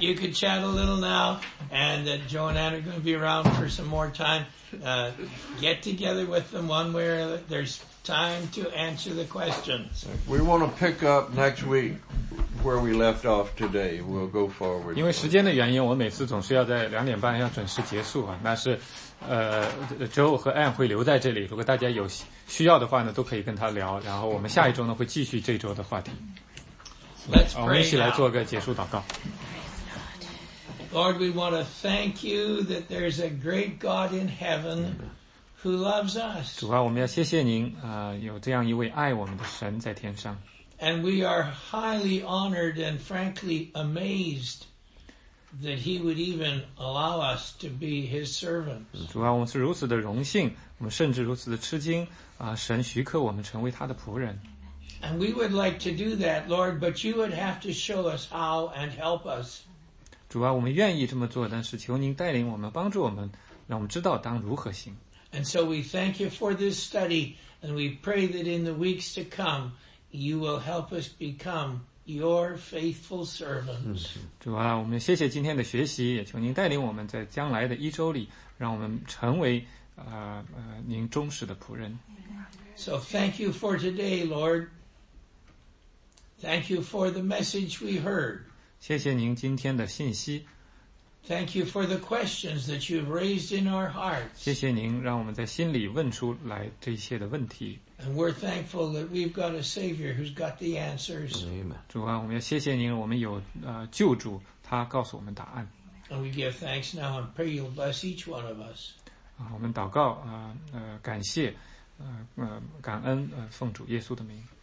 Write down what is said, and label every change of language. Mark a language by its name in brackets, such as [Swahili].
[English] You could chat a little now, and Joe and Anne are going to be around for some more time. Get together with them one way or another. There's time to answer the questions. We want to pick up next week. Where we left off today, we'll go forward. [Chinese] 因为时间的原因，我每次总是要在两点半要准时结束啊。那是，Joe和 Anne 会留在这里。如果大家有需要的话呢，都可以跟他聊。然后我们下一周呢，会继续这周的话题。 [English] Let's pray. [Chinese] 我们一起来做个结束祷告。 [English] Lord, we want to thank you that there's a great God in heaven who loves us. [Chinese] 主啊，我们要谢谢您啊，有这样一位爱我们的神在天上。 [English] And we are highly honored and frankly amazed that he would even allow us to be his servants. [Chinese] 主啊，我们是如此的荣幸，我们甚至如此的吃惊啊！神许可我们成为他的仆人。 [English] And we would like to do that, Lord, but you would have to show us how and help us. [Chinese] 主啊，我们愿意这么做，但是求您带领我们，帮助我们，让我们知道当如何行。 [English] And so we thank you for this study, and we pray that in the weeks to come,You will help us become your faithful servants. [Chinese] 主啊，我们谢谢今天的学习，也求您带领我们在将来的一周里，让我们成为您忠实的仆人。 [English] So thank you for today, Lord. Thank you for the message we heard. [Chinese] 谢谢您今天的信息。 [English] Thank you for the questions that you've raised in our hearts. [Chinese] 谢谢您让我们在心里问出来这些的问题。 [English] And we're thankful that we've got a Savior who's got the answers. [Chinese] 主啊，我们要谢谢您，我们有救主，他告诉我们答案。 [English] And we give thanks now and pray you'll bless each one of us. [Chinese] 我们祷告感谢感恩奉主耶稣的名。